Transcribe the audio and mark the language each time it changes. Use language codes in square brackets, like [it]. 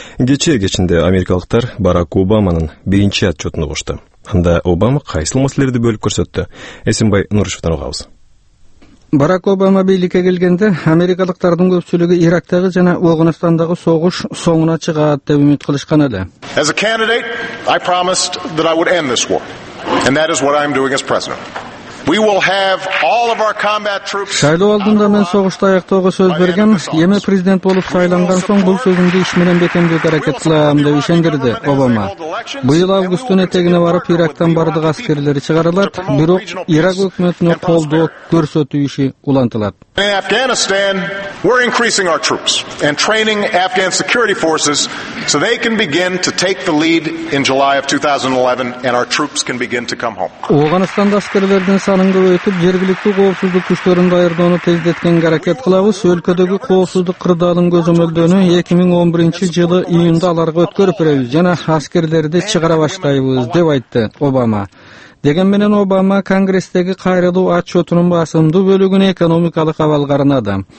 [ky] Кечээ кечинде америкалыктар Барак Обаманын биринчи отчетун угушту. Анда Обама кайсыл маселелерди бөлүп көрсөттү. Эсенбай Нурушевден угабыз. Барак Обама бийликке келгенде америкалыктардын көпчүлүгү Ирактагы жана Ооганстандагы согуш соңуна чыгат деп үмүт кылышкан эле. [en] As a candidate, I promised that I would end this war. And that is what I'm doing as president. We will have all of our combat troops. [ky] Шайлоо алдында мен согушту аяктоого сөз бергем, эми президент болуп шайланган соң бул сөзүмдү иш менен бекемдөөгө аракет кылам деп ишендирди Обама. Быйыл августтун этегине барып Ирактан бардык аскерлери чыгарылат, бирок Ирак өкмөтүнө колдоо көрсөтүү иши улантылат. [en] In Afghanistan, we're increasing our troops and training Afghan security forces so they can begin to take the lead in July of 2011 and our troops can begin to come home. [ky] Ооганстан аскерлеринин санын көбөйтүп, жергиликтүү коопсуздук күчтөрүн даярдоону тездеткенге аракет кылабыз. Өлкөдөгү коопсуздук кырдаалын көзөмөлдөөнү 2011 жылы июнда аларга өткөрүп беребиз жана аскерлерди чыгара баштайбыз деп айтты Обама. Деген менен Обама Конгресстеги кайрылуу отчетунун басымдуу бөлүгүн экономикалык абалга арнады.